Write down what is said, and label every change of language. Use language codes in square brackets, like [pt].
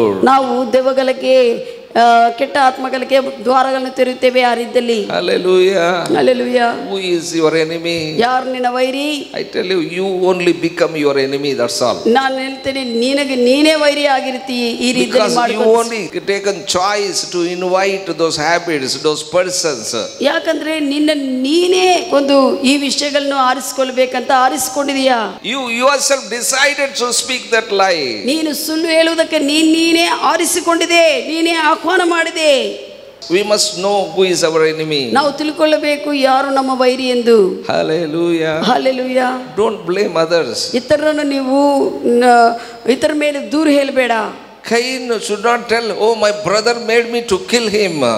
[kn] ನಾವು ದೆವ್ವಗಳಿಗೆ ಕೆಟ್ಟ ಆತ್ಮಗಳಿಗೆ ದ್ವಾರಗಳನ್ನು ತೆರೆಯುತ್ತೇವೆ ಯಾರಿದ್ದಲ್ಲಿ. [en] Hallelujah. Hallelujah. Who is your enemy? [kn] ಯಾರು ನಿನ್ನ ವೈರಿ? [en] I tell you, you only become your enemy, that's all. [kn] ನಾನು ಹೇಳ್ತೇನೆ ನಿನಗೆ ನೀನೇ ವೈರಿ ಆಗಿರ್ತೀಯ ಈ ರೀತಿ ಮಾಡ್ಕೊಂಡು. [en] You only taken choice to invite those habits, those persons. [kn] ಯಾಕಂದ್ರೆ ನಿನ್ನ ನೀನೇ ಒಂದು ಈ ವಿಷಯಗಳನ್ನು ಆರಿಸಿಕೊಳ್ಳಬೇಕಂತ ಆರಿಸಿಕೊಂಡಿದೀಯಾ? [en] You yourself decided to speak that lie. [kn] ನೀನು ಸುಳ್ಳು ಹೇಳುವುದಕ್ಕೆ ನೀನೇ ಆರಿಸಿಕೊಂಡಿದೆ, ನೀನೇ ಆಹ್ವಾನ ಮಾಡಿದೆ. [en] We must know who is our enemy. [kn] ನಾವು ತಿಳ್ಕೊಳ್ಳಬೇಕು ಯಾರು ನಮ್ಮ ವೈರಿ ಎಂದು. [en] Hallelujah. Hallelujah. Don't blame others. [kn] ಇತರರನ್ನು ನೀವು ಇತರ ಮೇಲೆ ದೂರ ಹೇಳಬೇಡ. [en] Cain should not tell, oh my brother made me to kill him.